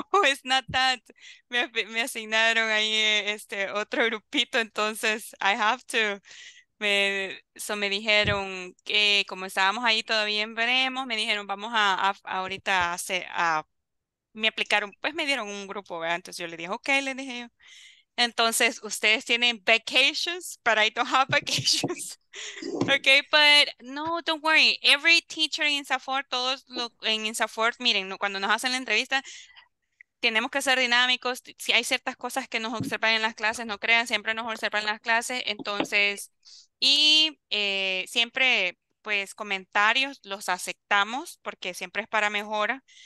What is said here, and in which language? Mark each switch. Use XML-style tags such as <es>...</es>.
<en>it's not that,</en> <es>me asignaron ahí otro grupito, entonces</es> <en>I have to.</en> <es>Me dijeron que como estábamos ahí todavía en veremos, me dijeron vamos a ahorita hacer, a me aplicaron, pues me dieron un grupo, ¿verdad? Entonces yo le dije, okay, le dije yo. Entonces, ustedes tienen</es> <en>vacations, but I don't have vacations. Okay, but no, don't worry. Every teacher in Safford,</en> <es>todos en Safford, miren, cuando nos hacen la entrevista, tenemos que ser dinámicos. Si hay ciertas cosas que nos observan en las clases, no crean, siempre nos observan en las clases. Entonces, y siempre, pues, comentarios los aceptamos porque siempre es para mejora.</es>